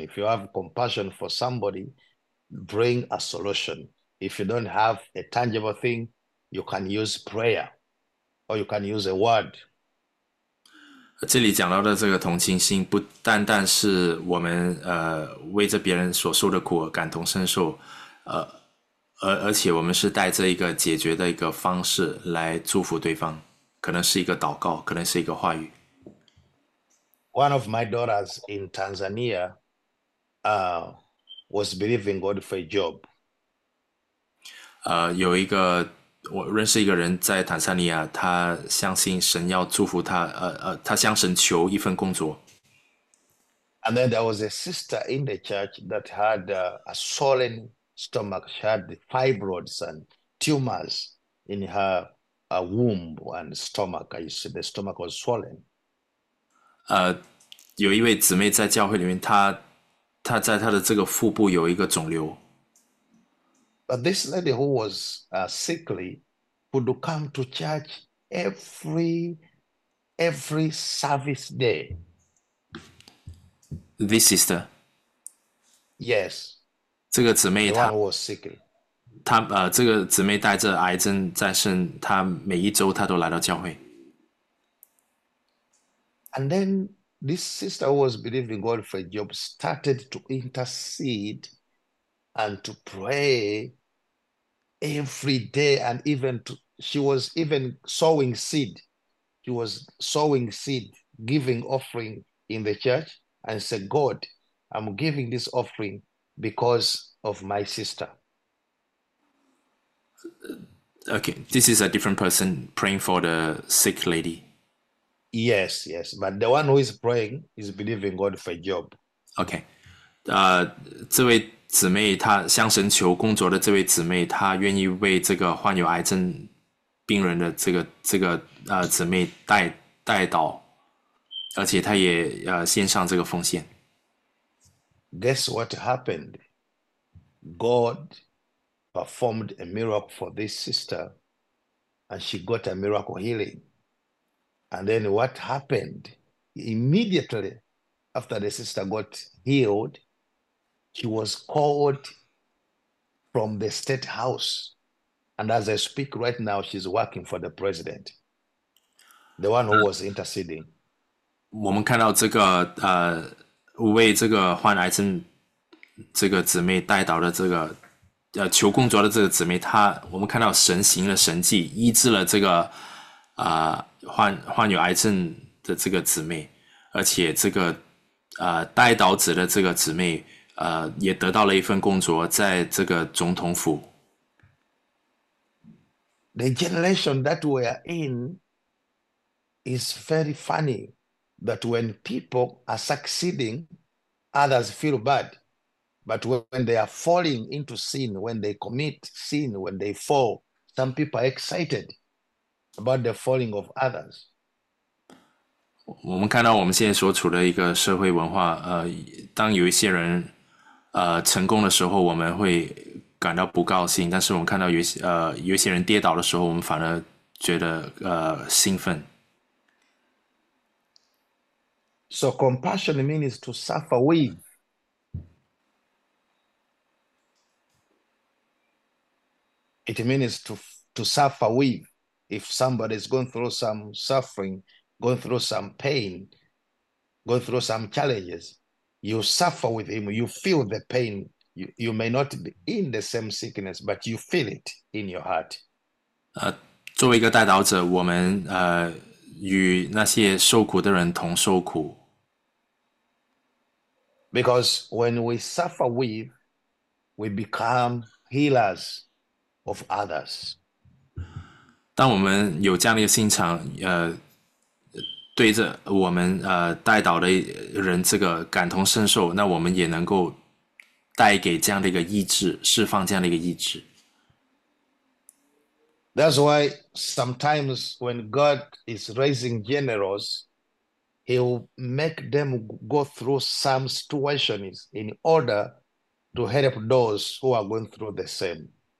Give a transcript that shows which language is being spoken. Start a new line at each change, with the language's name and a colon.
English: If you have compassion for somebody, bring a solution. If you don't have a tangible thing, you can use prayer or you can use a word.
Chinese: 这里讲到的这个同情心，不单单是我们为着别人所受的苦而感同身受，而且我们是带着一个解决的一个方式来祝福对方，可能是一个祷告，可能是一个话语。
English: One of my daughters in Tanzania, was believing God for a job.
Chinese: 有一个。我认识一个人在坦桑尼亚，他相信神要祝福他，他向神求一份工作。
English: And then there was a sister in the church that had a swollen stomach. She had fibroids and tumors in her womb and stomach. You see, the stomach was swollen.
Chinese: 有一位姊妹在教会里面，她在她的这个腹部有一个肿瘤。
English: But this lady who was sickly could come to church every service day. This sister， Yes,
Chinese: 这个姊妹
English: the one who was sickly.
Chinese: 她这个姊妹带着癌症在身，她每一周她都来到教会。
English: And then this sister who was believing God for a job started to intercede and to pray every day, and even to, she was even sowing seed. She was sowing seed, giving offering in the church, and said, God, I'm giving this offering because of my sister. Okay, this is a different person praying for the sick lady. Yes, but the one who is praying is believing God for a job.
Chinese: Okay, 这位姊妹，她向神求工作的这位姊妹，她愿意为这个患有癌症病人的这个姊妹代祷，而且她也献上这个奉献。
English: Guess what happened? God performed a miracle for this sister, and she got a miracle healing. And then what happened? Immediately after the sister got healed, she was called from the state house. And as I speak right now, she's working for the president, the one who was interceding.
Chinese: 我们看到这个为这个患癌症这个姊妹代祷的这个求工作的这个姊妹，她我们看到神行了神迹，医治了这个患有癌症的这个姊妹，而且这个代祷者的这个姊妹也得到了一份工作，在这个总统府。
English: The generation that we are in is very funny that when people are succeeding, others feel bad. But when they are falling into sin, when they commit sin, when they fall, some people are excited about the falling of others.
Chinese: 我们看到我们现在所处的一个社会文化，当有一些人成功的时候，我们会感到不高兴，但是我们看到有些人跌倒的时候，我们反而觉得兴奋。
English: So compassion means to suffer with. It means to suffer with. If somebody is going through some suffering, going through some pain, going through some challenges, you suffer with him, you feel the pain You may not be in the same sickness, but you feel it in your heart.
Chinese: 作为一个代祷者，我们与那些受苦的人同受苦。
English: Because when we suffer with, we become healers of others.
Chinese: 当我们有这样的一个心肠，对着我们代祷的人这个感同身受，那我们也能够带给这样的一个意志，释放这样的一个意志。
English: That's why sometimes when God is raising generals, He'll make them go through some situations in order to help those who are going through the same.